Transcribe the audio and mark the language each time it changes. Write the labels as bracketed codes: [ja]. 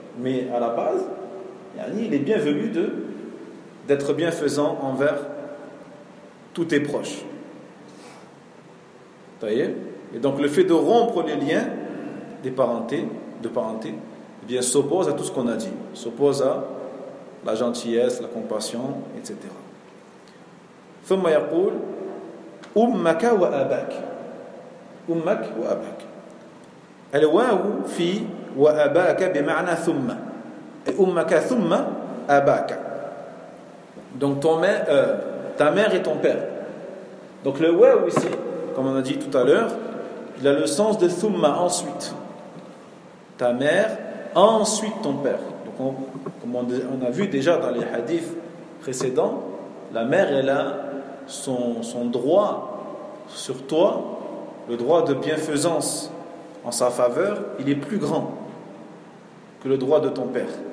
[fr] Mais à la base, il est bienvenu d'être bienfaisant envers tous tes proches. T'as-y-t-il ? Et donc, le fait de rompre les liens des parentés, de parenté, eh bien, s'oppose à tout ce qu'on a dit. S'oppose à la gentillesse, la compassion, etc. [ar] ثم يقول أمك وأباك أمك وأباك الواو في وأباك بمعنى ثم أمك ثم أباك [fr] donc ta mère et ton père. Donc le واو ici, comme on a dit tout à l'heure, il a le sens de ثم, ensuite. Ta mère, ensuite ton père. Donc on a vu déjà dans les hadiths précédents, la mère est là son droit sur toi, le droit de bienfaisance en sa faveur, il est plus grand que le droit de ton père.